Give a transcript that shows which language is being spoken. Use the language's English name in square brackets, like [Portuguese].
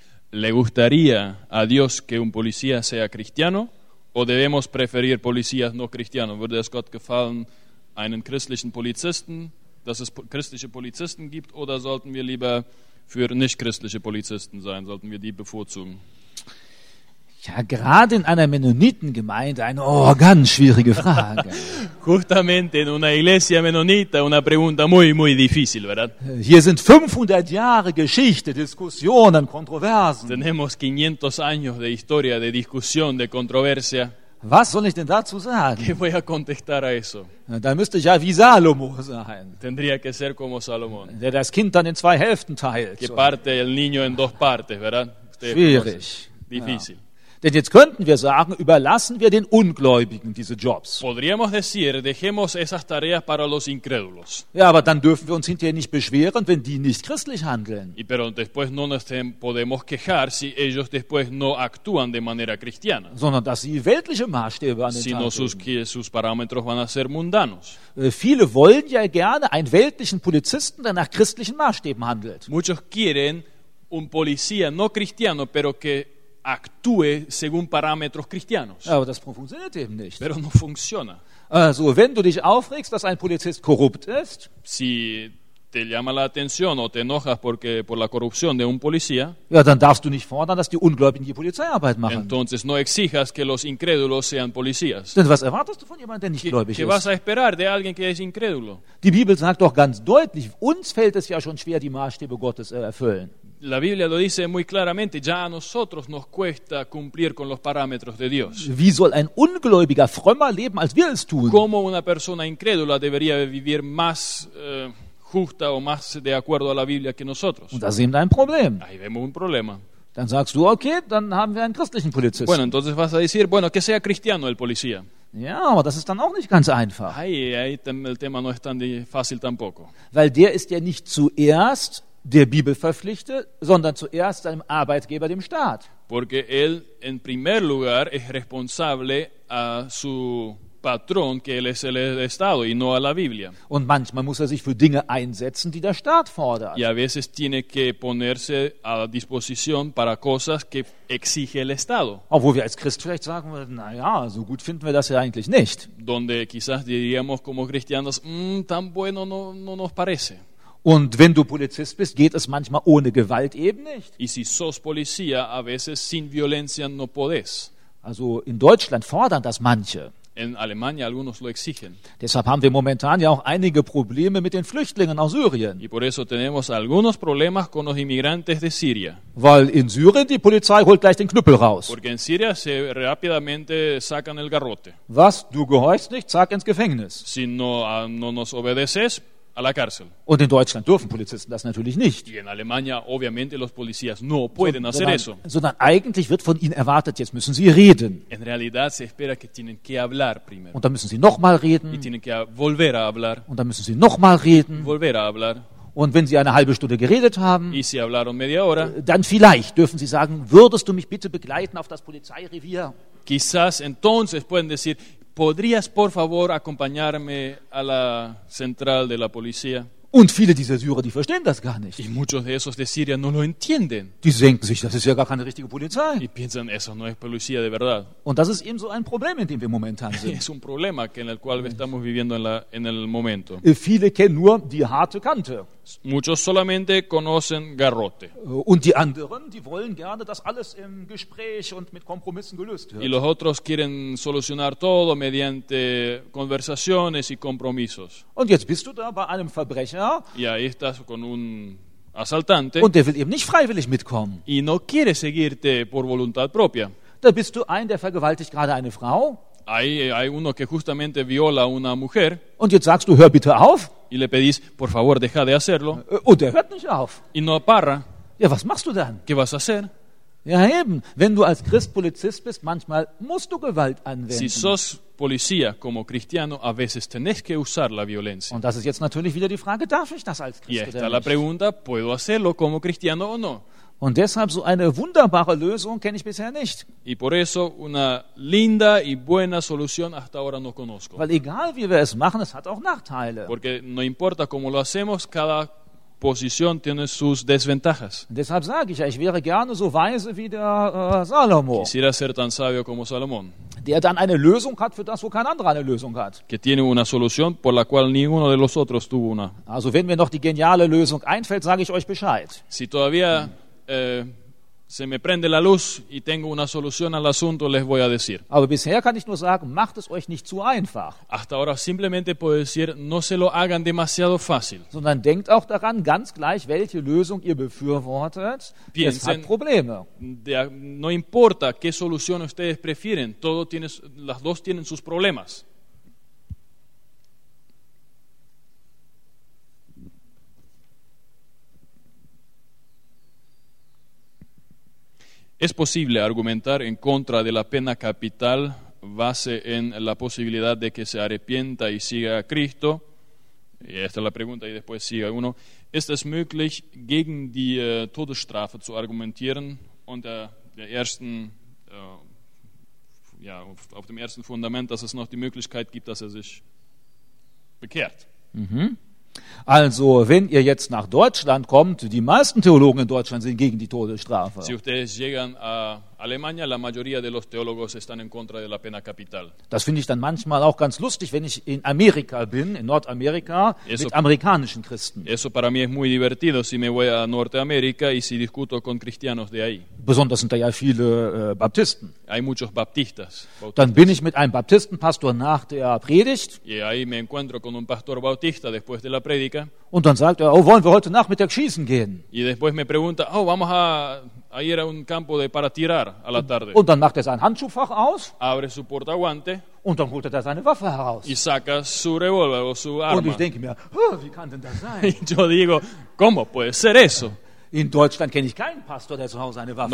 [Spanish] ¿Le gustaría a Dios que un policía sea cristiano o debemos preferir policías no cristianos? [German] ¿Würde es Gott gefallen, einen christlichen Polizisten dass es christliche Polizisten gibt, oder sollten wir lieber für nicht-christliche Polizisten sein? Sollten wir die bevorzugen? Ja, gerade in einer Mennonitengemeinde eine ganz schwierige Frage. [Spanish] Justamente en una iglesia menonita una pregunta muy muy difícil, ¿verdad? [German] Hier sind 500 Jahre Geschichte, Diskussionen, Kontroversen. [Spanish] Tenemos 500 años de historia de discusión, de controversia. [German] Was soll ich denn dazu sagen? [Spanish] ¿Qué voy a contestar a eso? [German] Da müsste ich ja wie Salomo sein. [Spanish] Tendría que ser como Salomón. [German] Der das Kind dann in zwei Hälften teilt. [Spanish] Que parte el niño en dos partes, ¿verdad? [German] Schwierig. [Spanish] Difícil. Ja. [German] Denn jetzt könnten wir sagen, überlassen wir den Ungläubigen diese Jobs. [Spanish] Podríamos decir, dejemos esas tareas para los incrédulos. [German] Ja, aber dann dürfen wir uns hinterher nicht beschweren, wenn die nicht christlich handeln. [Spanish] Y pero después no nos podemos quejar si ellos después no actúan de manera cristiana. [German] Sondern dass sie weltliche Maßstäbe an den [Spanish] sino [German] Tag [Spanish] sus, legen. Sus parámetros van a ser mundanos. [German] Viele wollen ja gerne einen weltlichen Polizisten, der nach christlichen Maßstäben handelt. [Spanish] Muchos quieren un policía no cristiano, pero que actúe según parámetros cristianos. [German] Aber das funktioniert eben nicht. [Spanish] Pero no funciona. [German] Also, wenn du dich aufregst, dass ein Polizist korrupt ist, [Spanish] si te llama la atención o te enojas porque por la corrupción de un policía, [German] ja, dann darfst du nicht fordern, dass die Ungläubigen die Polizeiarbeit machen. [Spanish] Entonces no exijas que los incrédulos sean policías. [German] Denn was erwartest du von jemandem, der nicht gläubig ist? [Spanish] ¿Qué vas a esperar de alguien que es incrédulo? [German] Die Bibel sagt doch ganz deutlich, uns fällt es ja schon schwer, die Maßstäbe Gottes erfüllen. [Spanish] La Biblia lo dice muy claramente, ya a nosotros nos cuesta cumplir con los parámetros de Dios. [German] Wie soll ein Ungläubiger frömmer leben, als wir es tun? [Spanish] ¿Cómo una persona incrédula debería vivir más justa o más de acuerdo a la Biblia que nosotros? [German] Und da sehen wir ein Problem. [Spanish] Ahí vemos un problema. [German] Dann sagst du, okay, dann haben wir einen christlichen Polizisten. [Spanish] Bueno, entonces vas a decir, bueno, que sea cristiano el policía. [German] Ja, aber das ist dann auch nicht ganz einfach. [Spanish] Ahí el tema no es tan fácil tampoco. [German] Weil der ist ja nicht zuerst der Bibel verpflichtet, sondern zuerst seinem Arbeitgeber, dem Staat. [Spanish] Porque él en primer lugar es responsable a su patrón, que él es el Estado, y no a la Biblia. [German] Und manchmal muss er sich für Dinge einsetzen, die der Staat fordert. [Spanish] Y a veces tiene que ponerse a disposición para cosas que exige el Estado. [German] Obwohl wir als Christ vielleicht sagen würden, naja, so gut finden wir das ja eigentlich nicht. [Spanish] Donde quizás diríamos como cristianos, tan bueno no nos parece. [German] Und wenn du Polizist bist, geht es manchmal ohne Gewalt eben nicht. [Spanish] Y si sos policía, a veces sin violencia no podés. [German] Also in Deutschland fordern das manche. [Spanish] En Alemania algunos lo exigen. [German] Deshalb haben wir momentan ja auch einige Probleme mit den Flüchtlingen aus Syrien. [Spanish] Y por eso tenemos algunos problemas con los inmigrantes de Siria. [German] Weil in Syrien die Polizei holt gleich den Knüppel raus. [Spanish] Porque en Siria se rápidamente sacan el garrote. [German] Was? Du gehorchst nicht? Zack, ins Gefängnis. [Spanish] Si no nos obedeces, a la cárcel. [German] Und in Deutschland dürfen Polizisten das natürlich nicht. [Spanish] Y en Alemania, obviamente, los policías no pueden hacer eso. [German] Sondern eigentlich wird von ihnen erwartet, jetzt müssen sie reden. [Spanish] En realidad se espera que tienen que hablar primero. [German] Und dann müssen sie nochmal reden. [Spanish] Y tienen que volver a hablar. [German] Und dann müssen sie nochmal reden. [Spanish] Volver a hablar. [German] Und wenn sie eine halbe Stunde geredet haben, [Spanish] y si hablaron media hora, [German] dann vielleicht dürfen sie sagen, würdest du mich bitte begleiten auf das Polizeirevier? [Spanish] Quizás entonces pueden decir, ¿podrías, por favor, acompañarme a la central de la policía? [German] Und viele dieser Syrer, die verstehen das gar nicht. [Spanish] Y muchos de esos de Siria no lo entienden. [German] Die denken sich, das ist ja gar keine richtige Polizei. [Spanish] Y piensan, eso no es policía de verdad. [German] Und das ist eben so ein Problem, in dem wir momentan sind. [Spanish] Es un problema que en el cual estamos viviendo en el momento. [German] Viele kennen nur die harte Kante. [Spanish] Muchos solamente conocen garrote. [German] Und die anderen, die wollen gerne, dass alles im Gespräch und mit Kompromissen gelöst wird. [Spanish] Y los otros quieren solucionar todo mediante conversaciones y compromisos. [German] Und jetzt bist du da bei einem Verbrecher. [Spanish] Y ahí estás con un asaltante. [German] Und der will eben nicht freiwillig mitkommen. [Spanish] Y no quiere seguirte por voluntad propia. [German] Da bist du ein, der vergewaltigt gerade eine Frau. [Spanish] Hay uno que justamente viola una mujer. [German] Und jetzt sagst du, hör bitte auf. [Spanish] Y le pedís, por favor, deja de hacerlo. [German] Und er hört nicht auf. [Spanish] Y no para. [German] Ja, was machst du dann? [Spanish] ¿Qué vas a hacer? [German] Ja, eben. Wenn du als Christ Polizist bist, manchmal musst du Gewalt anwenden. [Spanish] Si sos policía como cristiano, a veces tenés que usar la violencia. [German] Und das ist jetzt natürlich wieder die Frage, darf ich das als Christ oder nicht? [Spanish] Y esta la pregunta, ¿puedo hacerlo como cristiano o no? [German] Und deshalb so eine wunderbare Lösung kenne ich bisher nicht. [Spanish] Y por eso una linda y buena solución hasta ahora no conozco. [German] Weil egal wie wir es machen, es hat auch Nachteile. [Spanish] Porque no importa cómo lo hacemos, cada posición tiene sus desventajas. [German] Und deshalb sage ich ja, ich wäre gerne so weise wie der Salomo. [Spanish] Quisiera ser tan sabio como Salomón. [German] der dann eine Lösung hat für das, wo kein anderer eine Lösung hat. [Spanish] Que tiene una solución por la cual ninguno de los otros tuvo una. [German] Also wenn mir noch die geniale Lösung einfällt, sage ich euch Bescheid. [Spanish] Si todavía se me prende la luz y tengo una solución al asunto, les voy a decir. [German] Aber bisher kann ich nur sagen, macht es euch nicht zu einfach. [Spanish] Hasta ahora simplemente puedo decir, no se lo hagan demasiado fácil. [German] Sondern denkt auch daran, ganz gleich, welche Lösung ihr befürwortet, [Spanish] piensen, [German] es hat Probleme. [Spanish] No importa qué solución ustedes prefieren, todo tiene, las dos tienen sus problemas. ¿Es posible argumentar en contra de la pena capital base en la posibilidad de que se arrepienta y siga a Cristo? Y esta es la pregunta y después sigue uno. ¿Es posible [German] gegen die Todesstrafe zu argumentieren unter der ersten, ja, auf dem ersten Fundament, dass es noch die Möglichkeit gibt, dass er sich bekehrt? Mhm. Also, wenn ihr jetzt nach Deutschland kommt, die meisten Theologen in Deutschland sind gegen die Todesstrafe. [Spanish] Si ustedes llegan a Alemania, la mayoría de los teólogos están en contra de la pena capital. [German] Das finde ich dann manchmal auch ganz lustig, wenn ich in Amerika bin, in Nordamerika, [Spanish] eso, [German] mit amerikanischen Christen. [Spanish] Eso para mí es muy divertido si me voy a Norteamérica y si discuto con cristianos de ahí. [German] Besonders sind da ja viele Baptisten. [Spanish] Hay muchos baptistas. [German] Dann bin ich mit einem Baptistenpastor nach der Predigt. [Spanish] Y ahí me encuentro con un pastor bautista después de la predica. [German] Und dann sagt er, oh, wollen wir heute Nachmittag schießen gehen? [Spanish] Y después me pregunta, oh, vamos a ir a un campo de para tirar a la tarde. [German] Und dann macht er sein Handschuhfach aus. [Spanish] Abre su portaguante. [German] Und dann holt er da seine Waffe heraus. [Spanish] Y saca su revólver o su arma. [German] Und ich denke mir, oh, wie kann denn das sein? [Spanish] Yo digo, ¿cómo puede ser eso? [German] In Deutschland kenne ich keinen Pastor, der zu Hause eine Waffe